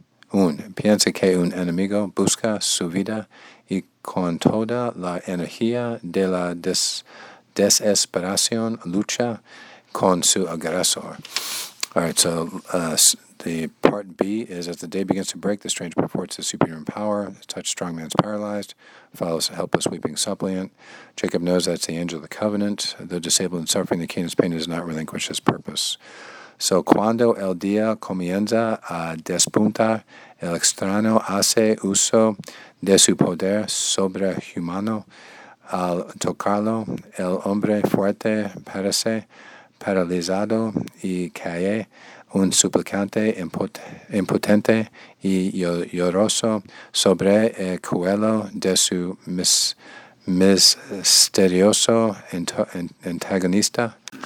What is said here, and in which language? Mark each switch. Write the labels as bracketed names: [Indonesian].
[Spanish] Piensa que un enemigo busca su vida y con toda la energía de la desesperación lucha con su agresor. [English] All right, so the part B is, as the day begins to break, the stranger purports his superhuman power. Touch strong man's paralyzed, follows a helpless weeping suppliant. Jacob knows that's the angel of the covenant. Though disabled and suffering, the king's pain does not relinquish his purpose. [Spanish] So cuando el día comienza a despuntar, el extraño hace uso de su poder sobrehumano. Al tocarlo, el hombre fuerte parece paralizado y cae un suplicante impotente y lloroso sobre el cuello de su misterioso antagonista.